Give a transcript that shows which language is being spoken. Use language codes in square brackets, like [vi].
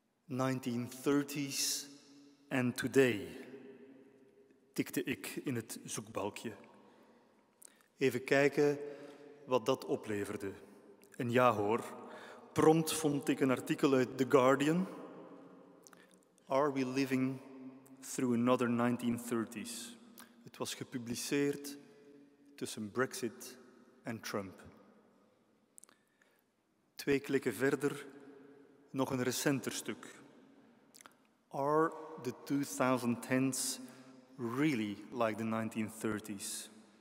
[en] 1930s and today, [nl] tikte ik in het zoekbalkje. Even kijken wat dat opleverde. En ja hoor, prompt vond ik een artikel uit The Guardian. [en] Are we living through another 1930s? [nl] Het was gepubliceerd tussen Brexit en Trump. Twee klikken verder, nog een recenter stuk. [en] Are the 2010s really like the 1930s?